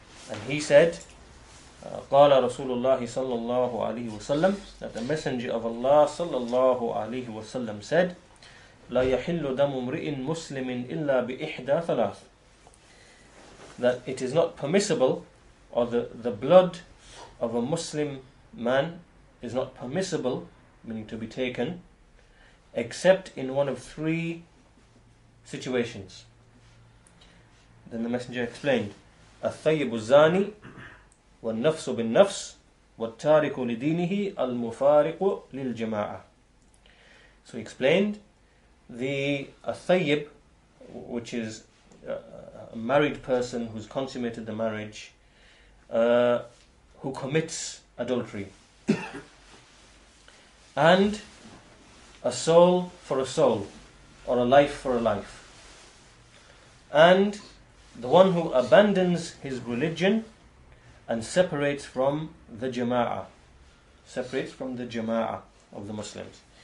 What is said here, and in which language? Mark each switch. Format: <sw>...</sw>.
<en>And he said,</en> <ar>قال رسول الله صلى الله عليه وسلم,</ar> <en>that the Messenger of Allah صلى الله عليه وسلم said,</en> <ar>لا يحل دم امرئ مسلم إلا بإحدى ثلاث,</ar> <en>that it is not permissible, or the blood of a Muslim man is not permissible, meaning to be taken, except in one of three situations. Then the Messenger explained,</en> <ar>الثيب الزاني والنفس بالنفس والتارك لدينه المفارق للجماعة.</ar> <en>So he explained, the athayyib, which is a married person who's consummated the marriage, who commits adultery, and a soul for a soul, or a life for a life, and the one who abandons his religion and separates from the jama'ah, separates from the jama'ah of the Muslims.</en>